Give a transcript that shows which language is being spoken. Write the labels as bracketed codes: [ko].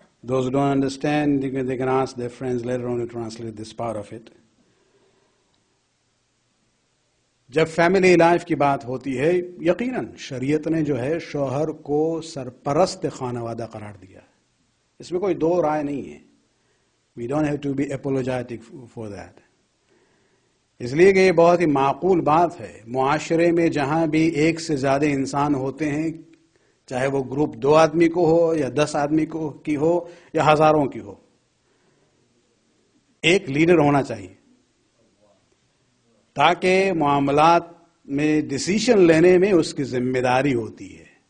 [en] Those who don't understand, they can ask their friends later on to translate this part of it. [ur] جب family life کی بات ہوتی ہے, یقیناً شریعت نے جو ہے شوہر کو سرپرست خانوادہ قرار دیا ہے, اس میں کوئی دو رائے نہیں ہے. [en] We don't have to be apologetic for that. [ur] اس لیے کہ یہ بہت ہی معقول بات ہے. معاشرے میں جہاں بھی ایک سے زیادہ انسان ہوتے ہیں, چاہے وہ گروپ دو آدمی کو ہو یا دس آدمی کو کی ہو یا ہزاروں کی ہو, ایک لیڈر ہونا چاہیے تاکہ معاملات میں ڈسیشن لینے میں اس کی ذمہ داری ہوتی ہے.